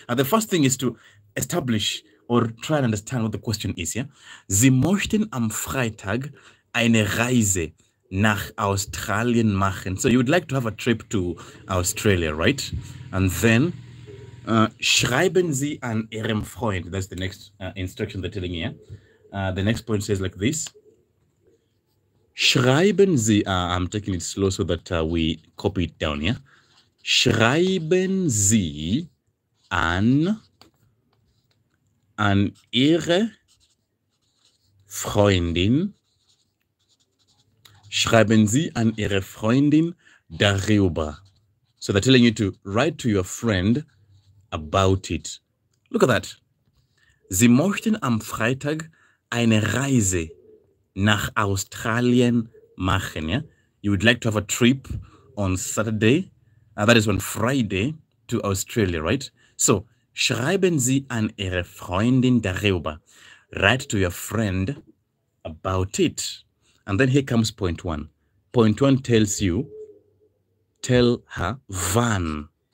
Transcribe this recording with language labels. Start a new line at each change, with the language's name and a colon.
English: The first thing is to establish or try and understand what the question is. Yeah.
German: Sie möchten am Freitag eine Reise nach Australien machen.
English: So you would like to have a trip to Australia, right? And then
German: schreiben Sie an Ihrem Freund.
English: That's the next instruction they're telling you. Yeah? The next point says like this.
German: Schreiben Sie,
English: I'm taking it slow so that we copy it down, yeah?
German: Schreiben Sie an Ihre Freundin. Schreiben Sie an Ihre Freundin darüber.
English: So they're telling you to write to your friend about it. Look at that.
German: Sie möchten am Freitag eine Reise nach Australien machen.
English: Yeah? You would like to have a trip on Saturday, that is on Friday, to Australia, right?
German: So, schreiben Sie an Ihre Freundin darüber.
English: Write to your friend about it. And then here comes point one. Point one tells you, tell her wann.